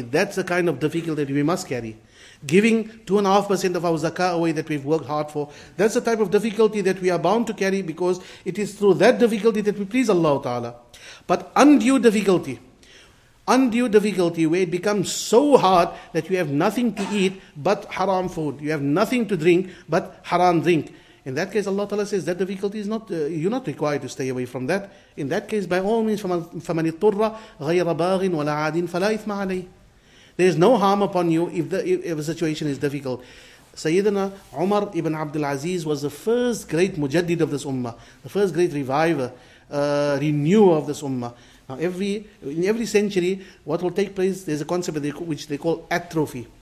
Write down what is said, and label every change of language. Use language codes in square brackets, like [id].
[en] That's the kind of difficulty that we must carry. Giving 2.5% of our zakah away that we've worked hard for, that's the type of difficulty that we are bound to carry, because it is through that difficulty that we please Allah Ta'ala. But undue difficulty where it becomes so hard that you have nothing to eat but haram food, you have nothing to drink but haram drink, in that case, Allah Ta'ala says that difficulty is not, you're not required to stay away from that. In that case, by all means, [ar] فَمَنِ اضْطُرَّ غَيْرَ بَاغٍ وَلَا عَادٍ فَلَا إِثْمَ عَلَيْهِ. [en] There is no harm upon you if a situation is difficult. Sayyidina Umar ibn Abdul Aziz was the first great mujaddid of this ummah, the first great reviver, renewer of this ummah. Now, in every century, what will take place, there's a concept which they call atrophy.